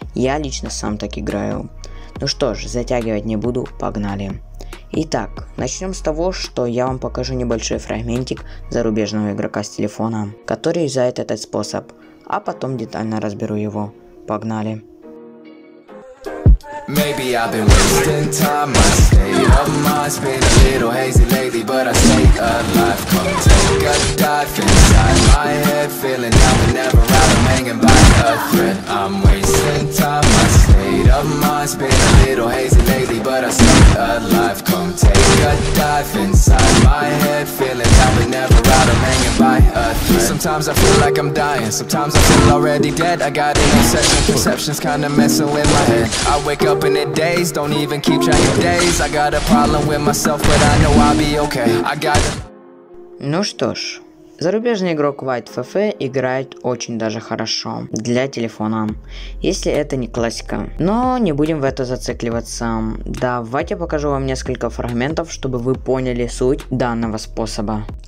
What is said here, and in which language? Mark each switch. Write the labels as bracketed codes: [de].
[ru] Я лично сам так играю. Ну что ж, затягивать не буду, погнали. Итак, начнем с того, что я вам покажу небольшой фрагментик зарубежного игрока с телефона, который юзает этот способ, а потом детально разберу его. Погнали. [en] Maybe I've been wasting time, I stay up, mind's been a little hazy lately, but I stay alive. Come take a dive inside my head, feeling down but never out, I'm hanging by a thread. I'm wasting time, I stay up, mind's been a little hazy lately, but I stay alive. Come take a dive inside my head, feeling down but never out, I'm hanging by a thread. Sometimes I feel like I'm dying, sometimes I feel already dead. I got an obsession, perception's kinda messing with my head. I wake up in a daze, don't even keep track of days. I got a problem with myself, but I know I'll be okay. I got a... [ru] Ну что ж, зарубежный игрок White FFA играет очень даже хорошо для телефона, если это не классика. Но не будем в это зацикливаться. Давайте покажу вам несколько фрагментов, чтобы вы поняли суть данного способа.